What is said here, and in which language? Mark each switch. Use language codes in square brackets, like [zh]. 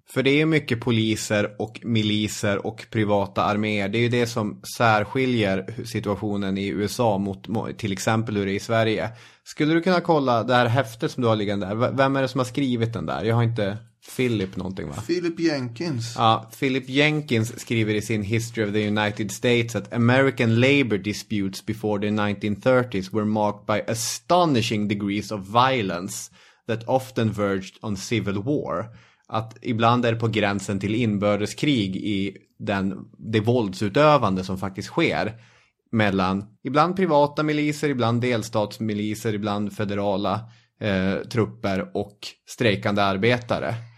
[sv] För det är mycket poliser och miliser och privata arméer. Det är ju det som särskiljer situationen i USA mot till exempel hur det är i Sverige. Skulle du kunna kolla det här häftet som du har liggande där? Vem är det som har skrivit den där? Jag har inte Philip någonting, va? Philip Jenkins. Ja, Philip Jenkins skriver i sin [en] History of the United States [sv] att [en] American labor disputes before the 1930s were marked by astonishing degrees of violence that often verged on civil war. [sv] Att ibland är det på gränsen till inbördeskrig i det våldsutövande som faktiskt sker mellan ibland privata miliser, ibland delstatsmiliser, ibland federala trupper och strejkande arbetare.